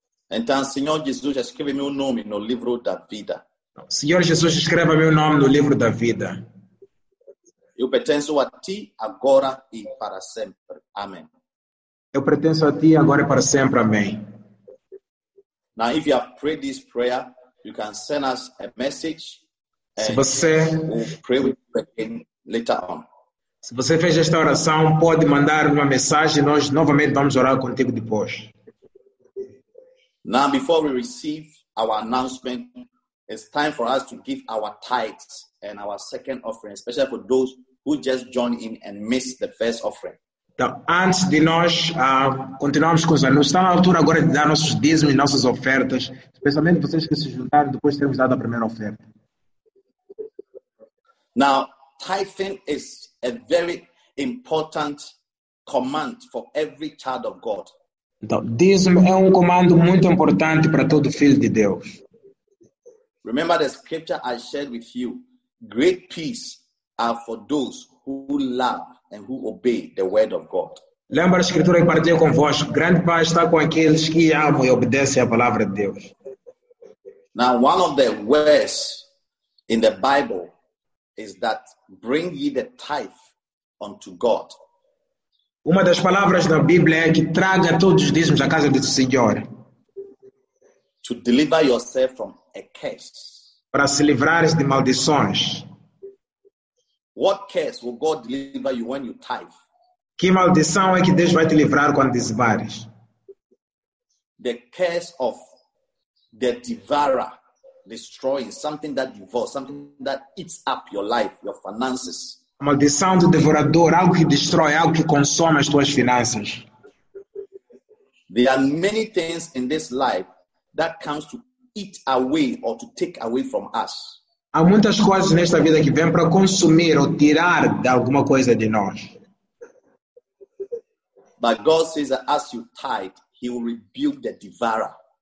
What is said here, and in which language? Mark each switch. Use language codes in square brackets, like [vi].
[pt] Então, Senhor Jesus, escreve meu nome no livro da vida. Senhor Jesus, escreva meu nome no livro da vida. Eu pertenço a ti agora e para sempre. Amém. Eu pertenço a ti agora e para sempre. Amém. [en] Now, if you have prayed this prayer, you can send us a message. [pt] Se você, [en] and we'll pray with you again later on. [pt] Se você fez esta oração, pode mandar uma mensagem. Nós novamente vamos orar contigo depois. [en] Now, before we receive our announcement, it's time for us to give our tithes and our second offering, especially for those who just joined in and missed the first offering. [pt] Então, antes de nós continuarmos com os anúncios, está na altura agora de dar nossos dízimos e nossas ofertas, especialmente vocês que se juntaram depois de termos dado a primeira oferta. [en] Now, tithing is a very important command for every child of God. [pt] Então, dízimo é um comando muito importante para todo filho de Deus. [en] Remember the scripture I shared with you. Great peace are for those who love and who obey the word of God. [pt] Lembra a escritura que partilhei convosco. Grande paz está com aqueles que amam e obedecem a palavra de Deus. [en] Now, one of the words in the Bible is that bring ye the tithe unto God. [pt] Uma das palavras da Bíblia é que traga todos os dízimos à casa do Senhor. [en] To deliver yourself from a curse. [pt] Para se livrares de maldições. [en] What curse will God deliver you when you tithe? [pt] Que maldição é que Deus vai te livrar quando dizimares? [en] The curse of the devourer destroying something that devours, something that eats up your life, your finances. [pt] A maldição do devorador, algo que destrói, algo que consome as tuas finanças. [en] There are many things in this life that comes to eat away or to take away from us. [pt] Há muitas coisas nesta vida que vêm para consumir ou tirar de alguma coisa de nós. [en] But God says that as you tithe, he will rebuke the devourer.